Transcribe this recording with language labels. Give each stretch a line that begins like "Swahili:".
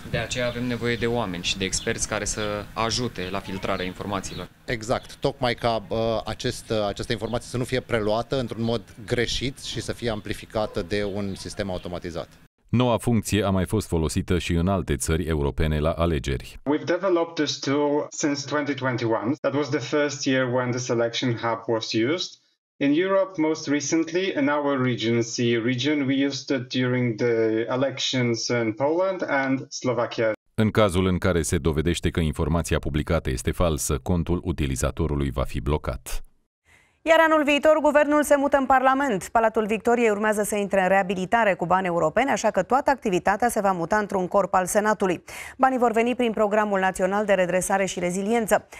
Romanian: De aceea avem nevoie de oameni și de experți care să ajute la filtrarea informațiilor. Exact, tocmai ca această informație să nu fie preluată într-un mod greșit și să fie amplificată de un sistem automatizat. Noua funcție a mai fost folosită și în alte țări europene la alegeri.
English: We've developed this tool since 2021. That was the first year when the selection hub was used. In Europe, most recently, in our region, CE region, we used it during the elections in Poland and Slovakia.
Romanian: În cazul în care se dovedește că informația publicată este falsă, contul utilizatorului va fi blocat. Iar anul viitor, guvernul se mută în Parlament. Palatul Victoriei urmează să intre în reabilitare cu bani europeni, așa că toată activitatea se va muta într-un corp al Senatului. Banii vor veni prin Programul Național de Redresare și Reziliență.